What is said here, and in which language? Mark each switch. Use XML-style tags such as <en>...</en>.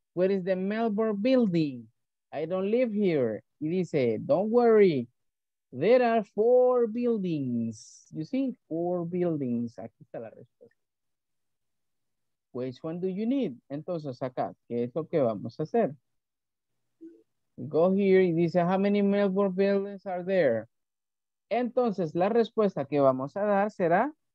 <en>Where is the Melbourne building? I don't live here.</en> <es>Y dice,</es> <en>don't worry. There are four buildings. You see, four buildings.</en> <es>Aquí está la respuesta.</es> <en>Which one do you need?</en> <es>Entonces, acá, ¿qué es lo que vamos a hacer?</es> <en>Go here.</en> <es>Y dice,</es> <en>how many Melbourne buildings are there?</en> <es>Entonces, la respuesta que vamos a dar será...</es>